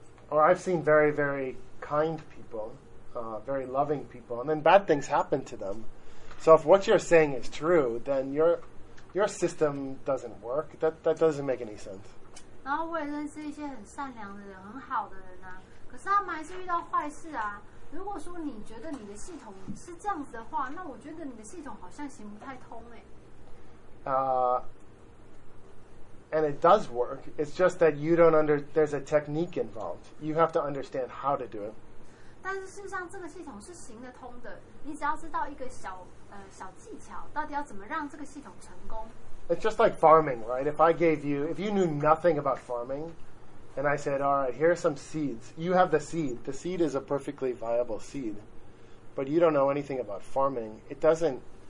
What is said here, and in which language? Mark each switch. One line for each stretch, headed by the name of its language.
English: Or I've seen very, very kind people, very loving people, and then bad things happen to them. So if what you're saying is true, then your system doesn't work. That doesn't make any sense.
Chinese: 然后我也认识一些很善良的人，很好的人啊。可是他们还是遇到坏事啊。如果说你觉得你的系统是这样子的话，那我觉得你的系统好像行不太通哎。
English: And it does work. It's just that you don't under. There's a technique involved. You have to understand how to do it.
Chinese: 但是事实上，这个系统是行得通的。你只要知道一个小技巧，到底要怎么让这个系统成功。
English: It's just like farming, right? If you knew nothing about farming, and I said, "All right, here are some seeds. You have the seed. The seed is a perfectly viable seed, but you don't know anything about farming. It doesn't.